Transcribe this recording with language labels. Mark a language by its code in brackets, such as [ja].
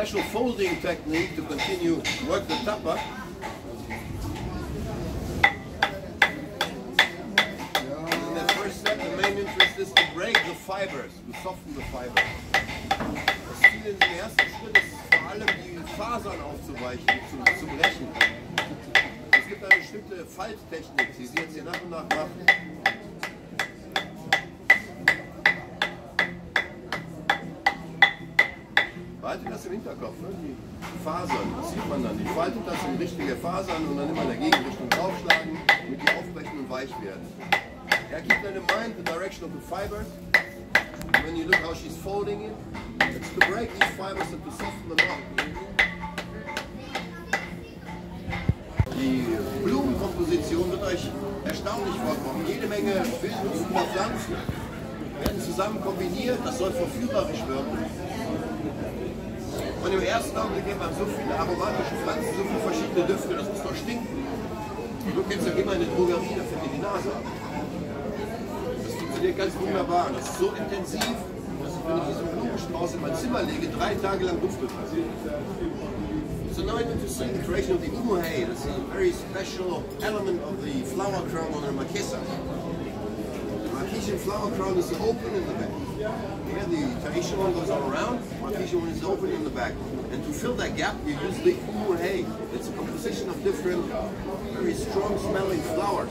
[en] Folding technique to continue to work the tapa. In the first step, the main interest is to break the fibers, to soften the fibers. [de] Das Ziel in dem ersten Schritt ist vor allem, die Fasern aufzuweichen, zu brechen. Es gibt eine bestimmte Falttechnik, die Sie jetzt hier nach und nach machen. Faltet das im Hinterkopf, ne? Die Fasern, das sieht man dann. Die faltet das in richtige Fasern und dann immer in der Gegenrichtung draufschlagen, damit die aufbrechen und weich werden. Er gibt [en] in mind the direction of the fibers. And when you look how she's folding it, it's to break these fibers and to soften them up. [de] Die Blumenkomposition wird euch erstaunlich vorkommen. Jede Menge wilde Pflanzen werden zusammen kombiniert, das soll verführerisch wirken. Und im ersten Augenblick hat man so viele aromatische Pflanzen, so viele verschiedene Düfte, das muss doch stinken. Du kennst ja immer eine Drogerie, da fängt die Nase an. Das funktioniert ganz wunderbar. Das ist so intensiv, dass ich, wenn ich diesen Blumenstrauß in mein Zimmer lege, 3 Tage lang duftet. [en] So now I'm interested in the creation of the Omoa. That's a very special element of the flower crown on the Marquesas. The Marquesian flower crown is open in the back. Here the Tahitian one goes all around, the Marquesian one is open in the back. And to fill that gap, we use the Omoa. It's a composition of different, very strong smelling flowers.